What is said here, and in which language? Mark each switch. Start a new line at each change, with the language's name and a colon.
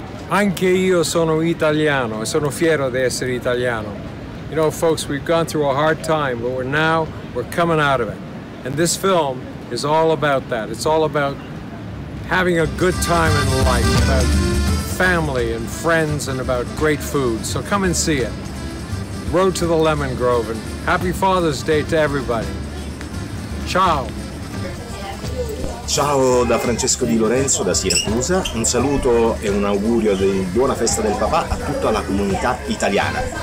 Italian: Anche io sono italiano, sono fiero di essere italiano.
English: You know, folks, we've gone through a hard time, but we're coming out of it. And this film is all about that. It's all about having a good time in life, about family and friends and about great food. So come and see it. Road to the Lemon Grove, and happy Father's Day to everybody.
Italian: Ciao. Ciao da Francesco Di Lorenzo da Siracusa, un saluto e un augurio di buona festa del papà a tutta la comunità italiana.